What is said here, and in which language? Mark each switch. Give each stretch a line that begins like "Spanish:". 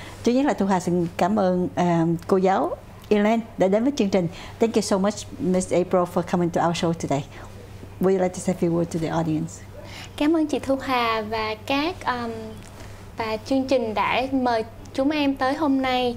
Vietnamese: Trước nhất là Thu Hà xin cảm ơn cô giáo Elen đã đến với chương trình.
English: Thank you so much, Miss April, for coming to our show today. Would you like to say a few words to the audience?
Vietnamese: Cảm ơn chị Thu Hà và các và chương trình đã mời chúng em tới hôm nay.